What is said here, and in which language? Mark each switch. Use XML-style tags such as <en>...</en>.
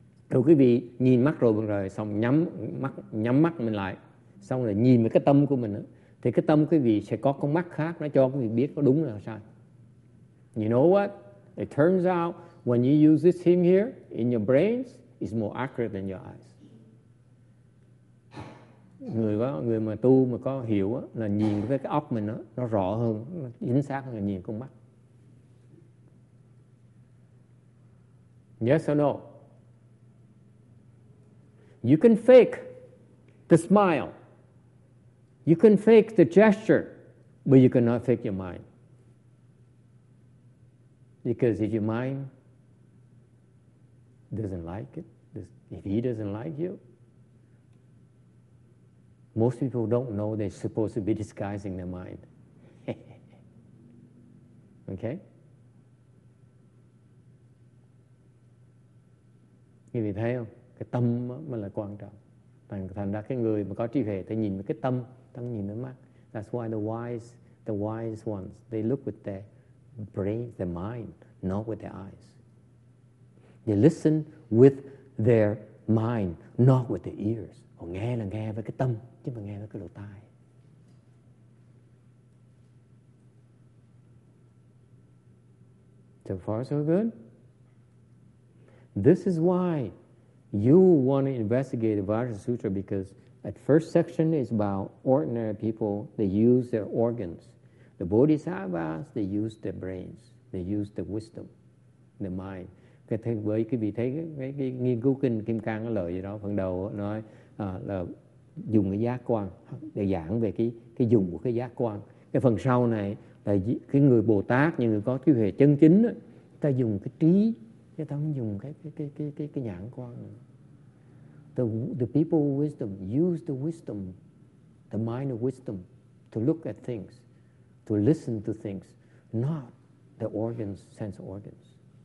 <vi>Thưa quý vị, nhìn mắt rồi xong nhắm mắt mình lại. Xong rồi nhìn cái tâm của mình nữa. Thì cái tâm quý vị sẽ có con mắt khác, nó cho quý vị biết có đúng là sai.</vi> <en>You know what? It turns out when you use this thing here in your brains, it's more accurate than your eyes.</en> <vi>Người mà tu mà có hiểu là nhìn cái óc mình nó rõ hơn, nó chính xác hơn là nhìn con mắt.</vi> <en>Yes or no? You can fake the smile. You can fake the gesture, but you cannot fake your mind. Because if your mind doesn't like it, if he doesn't like you, most people don't know they're supposed to be disguising their mind. Okay?</en> <vi>Quý vị thấy không? Cái tâm mới là quan trọng. Thành ra cái người mà có trí huệ thì nhìn cái tâm, ta nhìn cái mắt.</vi> <en>That's why the wise ones, they look with their brain, their mind, not with their eyes. They listen with their mind, not with their ears.</en> <vi>Họ nghe là nghe với cái tâm, chứ mà nghe với cái lỗ tai.</vi> <en>So far so good? This is why you want to investigate the Vajra Sutra, because at first section is about ordinary people. They use their organs. The bodhisattvas, they use their brains. They use the wisdom, the mind.</en> <vi>Với cái vị thấy cái nghiên cứu kinh Kim Cang có lời gì đó, phần đầu nói là dùng cái giác quan để giảng về cái dùng của cái giác quan. Cái phần sau này là cái người Bồ Tát, những người có trí huệ chân chính, ta dùng cái trí, chứ ta không dùng cái nhãn quan.</vi> <en>The people of wisdom use the wisdom, the mind of wisdom, to look at things, to listen to things, not the organs, sense organs.</en>